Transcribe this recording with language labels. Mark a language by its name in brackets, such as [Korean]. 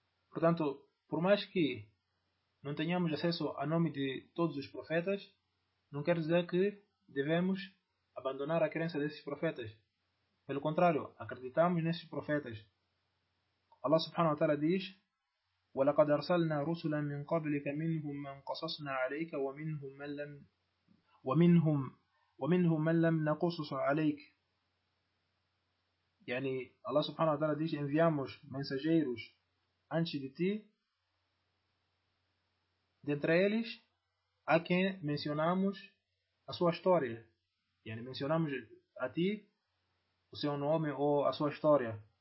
[Portuguese] Portanto, por mais que não tenhamos acesso ao nome de todos os profetas, não quer dizer que devemos abandonar a crença desses profetas. Pelo contrário, acreditamos nesses profetas. [Arabic] Allah subhanahu wa ta'ala diz: وَلَقَدْ أَرْسَلْنَا رُسُلًا مِنْ قَبْلِكَ مِنْهُمْ مَنْ قَصَصْنَا عَلَيْكَ وَمِنْهُمْ مَنْ لَمْ نَقُصُصْ عَلَيْكَ. [Portuguese] Yani Allah subhanahu wa ta'ala diz: enviamos mensageiros antes de ti, dentre eles há quem mencionamos a sua história. Yani mencionamos a ti o seu nome ou a sua história.